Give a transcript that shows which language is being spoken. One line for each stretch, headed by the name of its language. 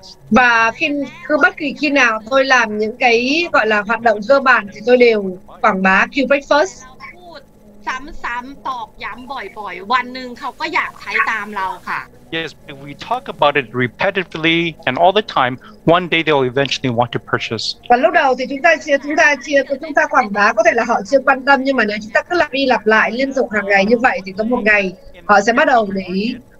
Vietnamese: và khi cứ bất kỳ khi nào tôi làm những cái gọi là hoạt động cơ bản thì tôi đều quảng bá Q Breakfast
Thai: ซ้ำตอบย้ำบ่อยๆวันหนึ่งเขาก็อยากใช้ตามเราค่ะ
English: Yes, if we talk about it repetitively and all the time, one day they'll eventually want to purchase.
Vietnamese: Và lúc đầu thì chúng ta quảng bá có thể là họ chưa quan tâm nhưng mà nếu chúng ta cứ lặp đi lặp lại liên tục hàng ngày như vậy thì có một ngày họ sẽ bắt đầu để ý.